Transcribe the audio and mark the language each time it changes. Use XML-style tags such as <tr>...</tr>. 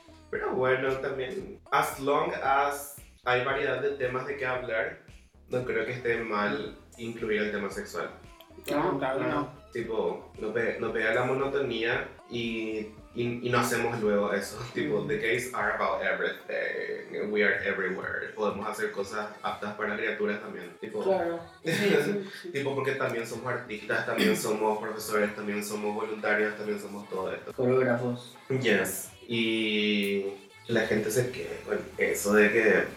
<es>Pero bueno, también,</es> <en>as long as</en> <es>hay variedad de temas de qué hablar, no creo que esté mal incluir el tema sexual. No. Tipo, no pega la monotonía y no hacemos luego eso.</es> <en>Tipo, the gays are about everything. We are everywhere.</en> <es>Podemos hacer cosas aptas para criaturas también. Tipo, claro. Tipo, porque también somos artistas, también somos profesores, también somos voluntarios, también somos todo esto. Coreógrafos.</es> <en>Yes.</en> <es>Y la gente se queda con eso de que...</es>